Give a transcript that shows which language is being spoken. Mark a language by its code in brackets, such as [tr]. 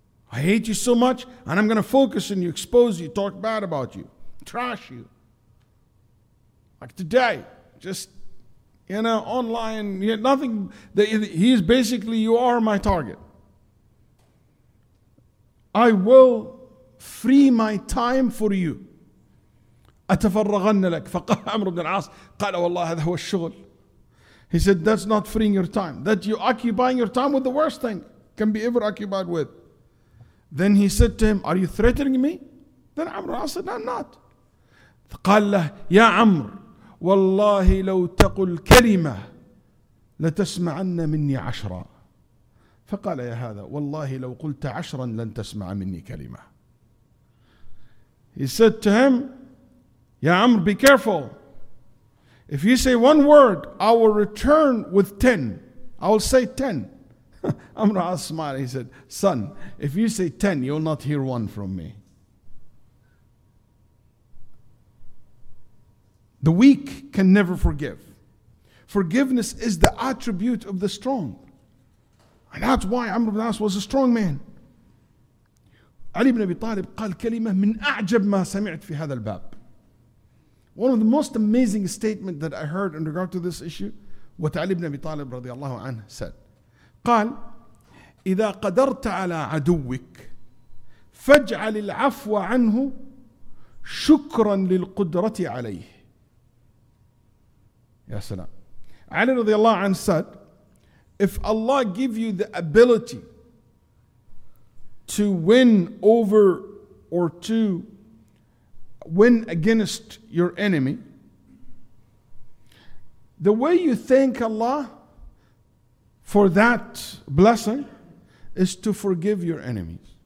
[en] I hate you so much, and I'm going to focus on you, expose you, talk bad about you, trash you. Like today, just, you know, online, you know, nothing. He is basically, you are my target. I will free my time for you. [ar] أتفرغن لك. فقال عمرو بن العاص قال والله هذا هو الشغل. [en] He said, that's not freeing your time. That you occupying your time with the worst thing can be ever occupied with. Then he said to him, are you threatening me? Then عمرو said, I'm not. [ar] فقال له يا عمرو والله لو تقل كلمة لتسمعن مني عشرة. فقال يا هذا والله لو قلت عشرا لن تسمع مني كلمة. [en] He said to him, يا عمر, be careful. If you say one word, I will return with 10. I will say 10. Amr al-As smiled. He said, son, if you say 10, you will not hear one from me. The weak can never forgive. Forgiveness is the attribute of the strong. And that's why Amr ibn As was a strong man. [ar] Ali ibn Abi Talib قال كلمة من أعجب ما سمعت في هذا الباب. [en] One of the most amazing statements that I heard in regard to this issue, what Ali ibn Abi Talib [ar] رضي الله عنه [en] said. [ar] قال إذا قدرت على عدوك فاجعل العفو عنه شكرا للقدرة عليه. Ya salam. [en] Ali [ar] radiallahu anhu [en] said, if Allah give you the ability to win over or to win against your enemy, the way you thank Allah for that blessing is to forgive your enemies.